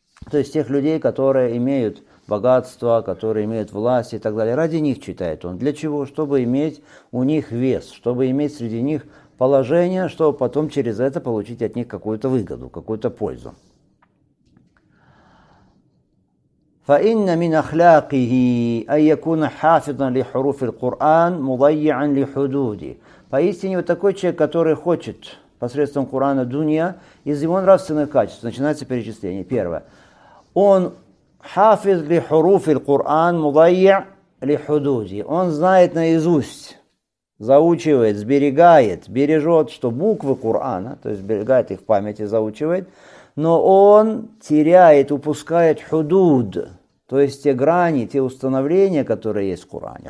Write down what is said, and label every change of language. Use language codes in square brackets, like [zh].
[ru] То есть тех людей, которые имеют богатство, которые имеют власть и так далее. Ради них читает он. Для чего? Чтобы иметь у них вес, чтобы иметь среди них положение, чтобы потом через это получить от них какую-то выгоду, какую-то пользу. [ar] فإن من أخلاقه أن يكون حافظا لحروف القرآن مضيعا لحدوده. [ru] Поистине, вот такой человек, который хочет посредством Корана дунья, из его нравственных качеств начинается перечисление. Первое. [ar] Он хафиз ли хуруфи Коран, мудайя ли худуди. [ru] Он знает наизусть, заучивает, сберегает, бережет, что буквы Корана, то есть сберегает их в памяти, заучивает, но он теряет, упускает худуд, то есть те грани, те установления, которые есть в Коране.